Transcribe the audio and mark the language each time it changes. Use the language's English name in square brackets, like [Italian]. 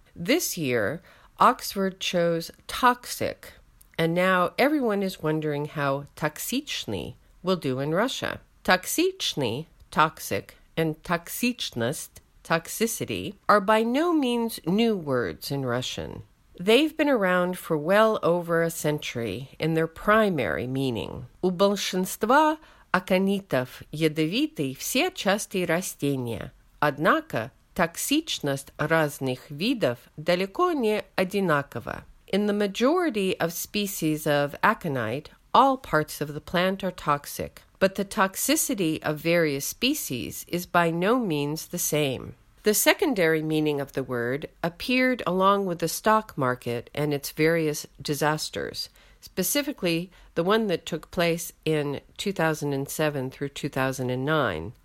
[English] This year, Oxford chose toxic, and now everyone is wondering how toxichny will do in Russia. Toxichny, toxic, and toxichnost, toxicity, are by no means new words in Russian. They've been around for well over a century in their primary meaning. [Russian] У большинства аконитов ядовиты все части растения. Однако токсичность разных видов далеко не одинакова. [English] In the majority of species of aconite, all parts of the plant are toxic, but the toxicity of various species is by no means the same. The secondary meaning of the word appeared along with the stock market and its various disasters, specifically the one that took place in 2007 through 2009.